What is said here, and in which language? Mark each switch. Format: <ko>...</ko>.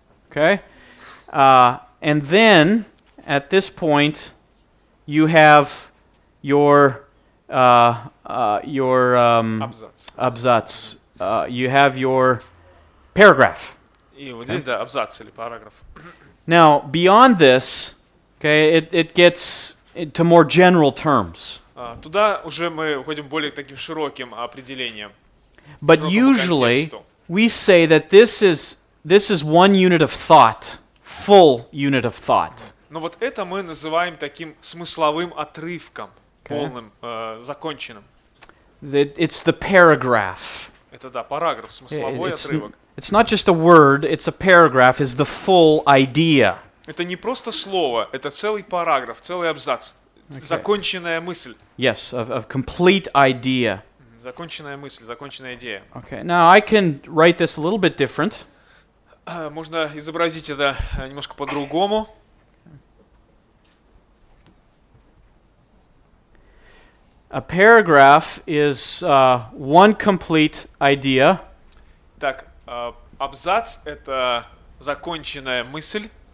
<en>Okay. And then, at this point, you have your абзац. You have your paragraph.</en> <ru>И вот здесь, да, абзац или параграф.</ru> <en>Now, beyond this, okay, it gets to more general terms.</en> <ru>Туда уже мы уходим более таким широким определением.</ru> <en>But usually, we say that this is one unit of thought, full unit of thought.</en> <ru>Но вот это мы называем таким смысловым отрывком, полным, законченным.</ru> <en>It's the paragraph.</en> <ru>Это, да, параграф, смысловой отрывок.</ru> <en>It's not just a word, it's a paragraph, is the full idea.</en> <ru>Это не просто слово, это целый параграф, целый абзац, законченная мысль.</ru> <en>Yes, of complete idea.</en> <ru>Законченная мысль, законченная идея.</ru> <en>Okay, now I can write this a little bit different.</en> <ru>Можно изобразить это немножко по-другому.</ru> <en>A paragraph is one complete idea.</en> <ru>Так. Абзац — это законченная мысль.</ru>